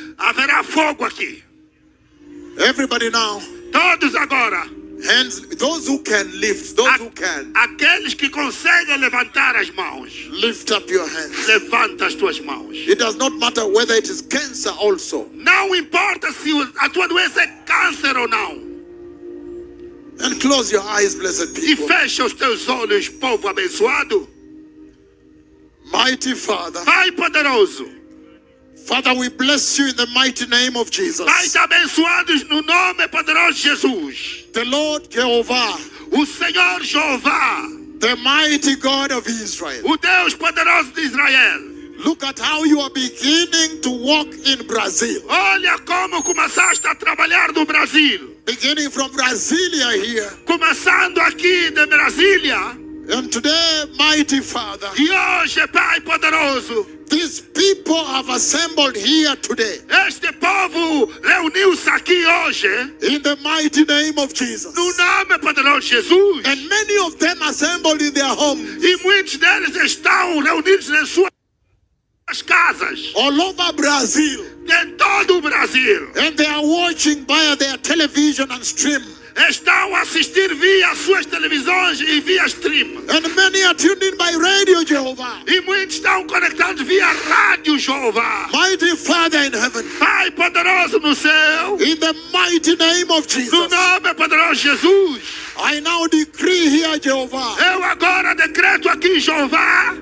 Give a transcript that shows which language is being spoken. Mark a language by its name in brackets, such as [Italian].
[Portuguese] Haverá fogo aqui. [English] Everybody now. [Portuguese] Todos agora. [English] Hands, those who can lift, those who can. [Portuguese] Aqueles que conseguem levantar as mãos. [English] Lift up your hands. [Portuguese] Levanta as tuas mãos. [English] It does not matter whether it is cancer also. [Portuguese] Não importa se a tua doença é câncer ou não. [English] And close your eyes, blessed people. [Portuguese] E fecha os teus olhos, povo abençoado. [English] Mighty Father. [Portuguese] Pai poderoso. [English] Father, we bless you in the mighty name of Jesus. [Portuguese] Pai, abençoados no nome poderoso de Jesus. [English] The Lord Jehovah. [Portuguese] O Senhor Jeová. [English] The mighty God of Israel. [Portuguese] O Deus poderoso de Israel. [English] Look at how you are beginning to walk in Brazil. [Portuguese] Olha como começaste a trabalhar no Brasil. [English] Beginning from Brasilia here. [Portuguese] Começando aqui de Brasília. [English] And today, mighty Father. [Portuguese] E hoje, Pai poderoso. [English] These people have assembled here today. [Portuguese] Este povo reuniu-se aqui hoje. [English] In the mighty name of Jesus. [Portuguese] No nome poderoso de Jesus. [English] And many of them assembled in their homes. [Portuguese] E muitos deles estão reunidos em suas casas. [English] All over Brazil. [Portuguese] Em todo o Brasil. [English] And they are watching via their television and stream. [Portuguese] Estão a assistir via suas televisões e via stream. [English] And many are tuned in by radio, Jehovah. [Portuguese] E muitos estão conectados via rádio, Jehová. [English] Mighty Father in heaven. [Portuguese] Pai poderoso no céu. [English] In the mighty name of Jesus. [Portuguese] No nome poderoso de Jesus. [English] I now decree here, Jehovah. [Portuguese] Eu agora decreto aqui, Jeová.